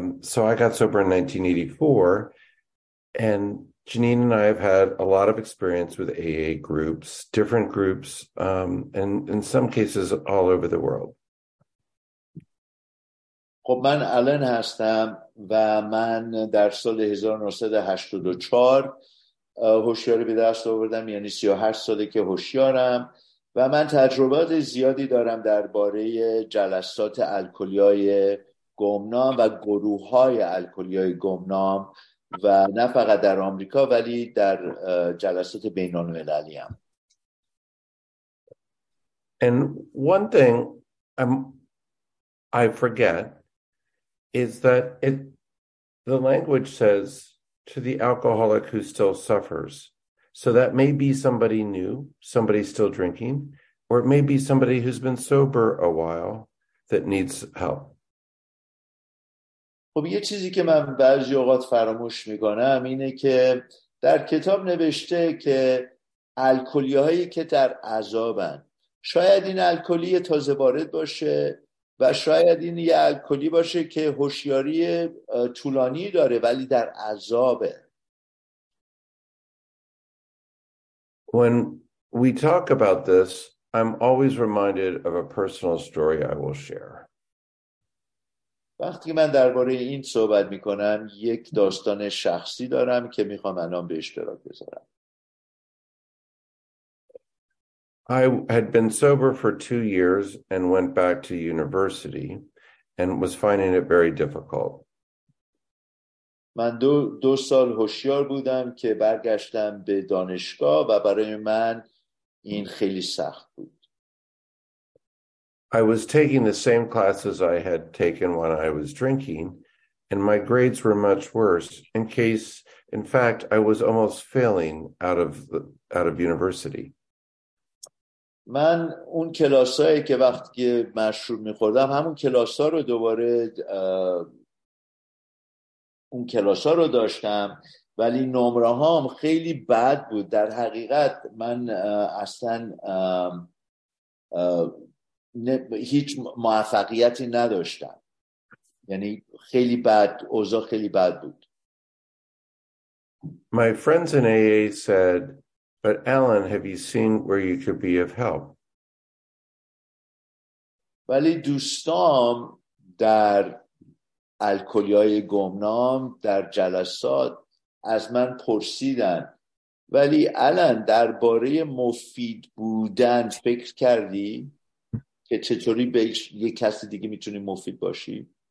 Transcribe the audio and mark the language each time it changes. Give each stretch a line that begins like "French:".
English: So I got sober in 1984, and Janine and I have had a lot of experience with AA groups, different groups, and in some cases all over the world.
Persian: خب من آلن هستم و من در سال 1984 هوشیاری به دست آوردم، یعنی 38 ساله که هوشیارم و من تجربات زیادی دارم درباره جلسات الکلی‌های گمنام و گروه‌های الکلی‌های گمنام و نه فقط در آمریکا ولی در جلسات بین‌المللی هم.
English: And one thing I forget is that the language says to the alcoholic who still suffers. So that may be somebody new, somebody still drinking, or it may be somebody who's been sober a while that needs help.
Persian: خب یه چیزی که من بعضی اوقات فراموش میکنم اینه که در کتاب نوشته که الکلی‌هایی که در عذابن، شاید این الکلی تازه وارد باشه و شاید این یه الکلی باشه که هوشیاری طولانی داره ولی در عذابه.
English: When we talk about this, I'm always reminded of a personal story I will share.
Persian: وقتی من درباره این صحبت میکنم یک داستان شخصی دارم که میخوام الان به اشتراک بذارم.
English: I had been sober for 2 years and went back to university and was finding it very difficult.
Persian: من دو سال هوشیار بودم که برگشتم به دانشگاه و برای من این خیلی سخت بود.
English: I was taking the same classes I had taken when I was drinking, and my grades were much worse. In fact, I was almost failing out of university.
Persian: من اون کلاسایی که وقتی مشروب می‌خوردم همون کلاسا رو دوباره اون کلاسا رو داشتم ولی نمره‌هام خیلی بد بود. در حقیقت من اصلاً هیچ موفقیتی نداشتم، یعنی خیلی بد، اوضاع خیلی بد بود.
English: My friends in AA said, but Alan, have you seen where you could be of help?
Persian: ولی دوستام در الکلی‌های گمنام در جلسات از من پرسیدن، ولی الان درباره مفید بودن فکر کردی؟ که چطوری به یک کس دیگه میتونی مفید باشی؟